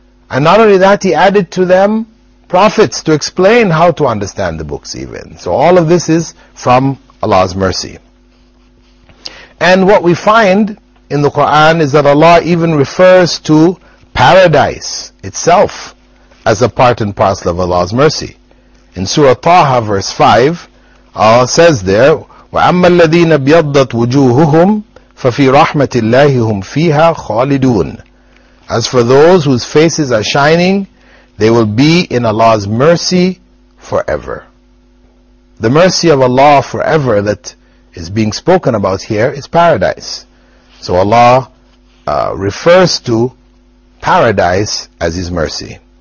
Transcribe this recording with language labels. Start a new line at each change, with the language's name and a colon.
English: And not only that, He added to them prophets to explain how to understand the books even. So all of this is from Allah's mercy. And what we find in the Quran is that Allah even refers to paradise itself as a part and parcel of Allah's mercy. In Surah Taha, verse 5, Allah says there,
Arabic: وَأَمَّا الَّذِينَ بِيَضَّتْ وُجُوهُهُمْ فَفِي رَحْمَةِ اللَّهِ هُمْ فِيهَا خَالِدُونَ.
English: As for those whose faces are shining, they will be in Allah's mercy forever. The mercy of Allah forever that is being spoken about here is paradise. So Allah refers to paradise as His mercy.